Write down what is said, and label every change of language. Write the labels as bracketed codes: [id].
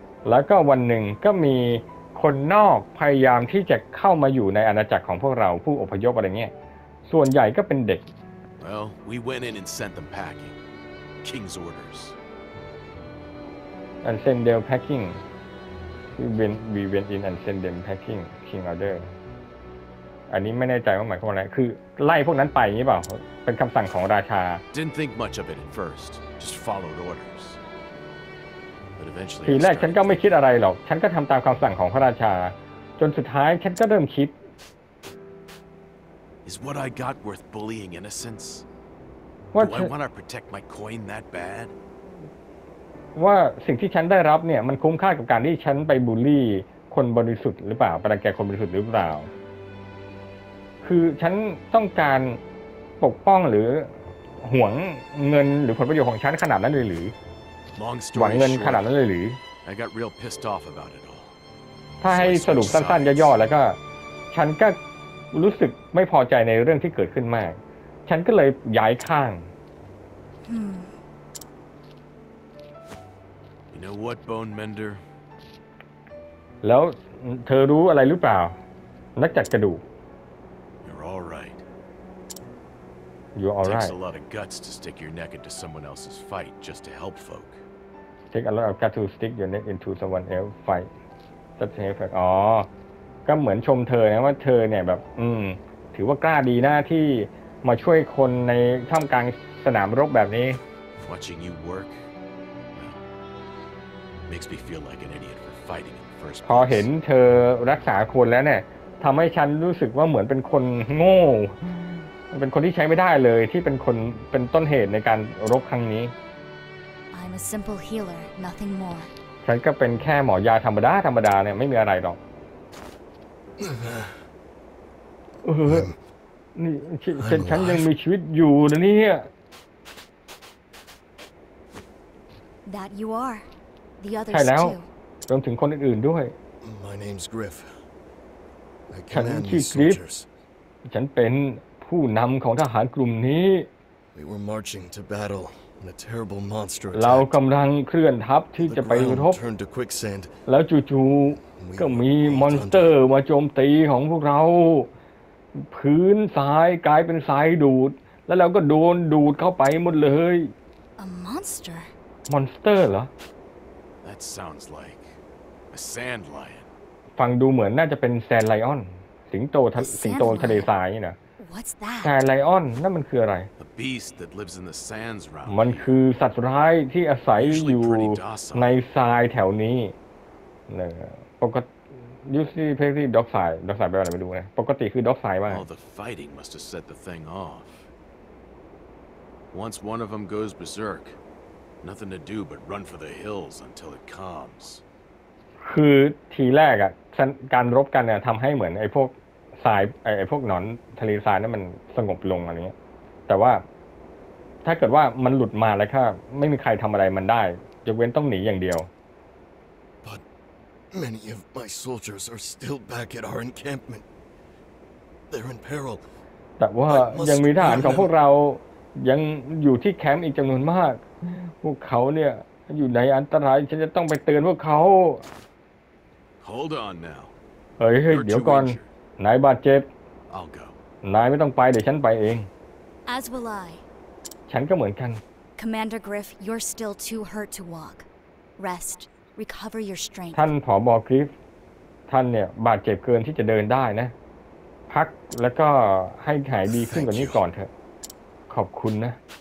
[th] แล้วก็วันหนึ่งก็มีคนนอกพยายามที่จะเข้ามาอยู่ในอาณาจักรของพวกเราผู้อพยพอะไรเงี้ยส่วนใหญ่ก็เป็นเด็ก [en] Well, we went in and sent them packing. King's orders. And send them packing. We went in and sent them packing. King order [th] อันนี้ไม่แน่ใจว่าหมายความอะไรคือไล่พวกนั้นไปอย่างนี้เปล่าเป็นคำสั่งของราชา [en] Didn't think much of it at first just followed orders But eventually [th] ทีแรกฉันก็ไม่คิดอะไรหรอกฉันก็ทำตามคำสั่งของพระราชาจนสุดท้ายฉันก็เริ่มคิด [en] Is what I got worth bullying innocence Do I want to protect my coin that bad [th] ว่าสิ่งที่ฉันได้รับเนี่ยมันคุ้มค่ากับการที่ฉันไปบูลลี่คนบริสุทธิ์หรือเปล่าประแกคนบริสุทธิ์หรือเปล่าคือฉันต้องการปกป้องหรือหวงเงินหรือผลประโยชน์ของฉันขนาดนั้นเลยหรือหวังเงินขนาดนั้นเลยหรือ [en] I got real pissed off about it all [th] ถ้าให้สรุปสั้นๆย่อๆแล้วก็ฉันก็รู้สึกไม่พอใจในเรื่องที่เกิดขึ้นมากฉันก็เลยย้ายข้าง [en] know what, Bone Mender? [th] แล้วเธอรู้อะไรหรือเปล่านักจัดกระดูก [en] You're all right. You're all right. Takes a lot of guts to stick your neck into someone else's fight just to help folk. Take a lot of guts to stick your neck into someone else's fight just to help folk. Oh. [th] ก็เหมือนชมเธอนะว่าเธอเนี่ยแบบถือว่ากล้าดีหน้าที่มาช่วยคนในท่ามกลางสนามรบแบบนี้ [en] Watching you work makes me feel like an idiot for fighting in the first place [th] พอเห็นเธอรักษาคนแล้วเนี่ยทำให้ฉันรู้สึกว่าเหมือนเป็นคนโง่เป็นคนที่ใช้ไม่ได้เลยที่เป็นคนเป็นต้นเหตุในการรบครั้งนี้ [en] I'm a simple healer nothing more [th] ฉันก็เป็นแค่หมอยาธรรมดาธรรมดาเนี่ยไม่มีอะไรหรอกนี่ฉันยังมีชีวิตอยู่นะเนี่ย [en] That you are the others [th] ใช่แล้วรวมถึงคนอื่นๆด้วย [en] My name's Griff I can handle the soldiers [th] ฉันเป็นผู้นำของทหารกลุ่มนี้ [en] We were marching to battle in a terrible monster [th] เรากำลังเคลื่อนทัพที่จะไปรบ [en] The ground turned to quicksand [th] แล้วจู่ๆก็มีมอนสเตอร์มาโจมตีของพวกเราพื้นทรายกลายเป็นทรายดูดแล้วเราก็โดนดูดเข้าไปหมดเลย [en] A monster [th] มอนสเตอร์เหรอ [en] That sounds like a sand lion [th] ฟังดูเหมือนน่าจะเป็นแซนไลออนสิงโตสิงโตทะเลทรายนี่ นะแซนไลออนนั่นมันคืออะไร [en] A beast that lives in the sands around [th] มันคือสัตว์ร้ายที่อาศัยอยู่ในทรายแถวนี้นะปกติยูซี่เพลงที่ด็อกไซด์ด็อกไซด์แปลว่าอะไรไปดูนะปกติคือด็อกไซด์ว่า [en] All the fighting must have set the thing off. Once one of them goes berserk, nothing to do but run for the hills until it calms. [th] คือทีแรกอ่ะการรบกันเนี่ยทำให้เหมือนไอ้พวกทรายไอ้พวกหนอนทะเลทรายนั้นมันสงบลงอะไรเงี้ยแต่ว่าถ้าเกิดว่ามันหลุดมาแล้วค่ะไม่มีใครทำอะไรมันได้ยกเว้นต้องหนีอย่างเดียว [en] Many of my soldiers are still back at our encampment. They're in peril. [th] แต่ว่ายังมีทหารของพวกเรายังอยู่ที่แคมป์อีกจำนวนมากพวกเขาเนี่ยอยู่ในอันตรายฉันจะต้องไปเตือนพวกเขา [en] Hold on now. [th] เฮ้ยเดี๋ยวก่อนนายบาดเจ็บ [en] I'll go. [th] นายไม่ต้องไปเดี๋ยวฉันไปเอง [en] As will I. [th] ฉันก็เหมือนกัน [en] Commander Griff, you're still too hurt to walk. Rest. Recover your strength. [th] ท่านผอ.กริฟท่านเนี่ยบาดเจ็บเกินที่จะเดินได้นะพักแล้วก็ให้หายดีขึ้นกว่านี้ก่อนเถอะขอบคุณนะ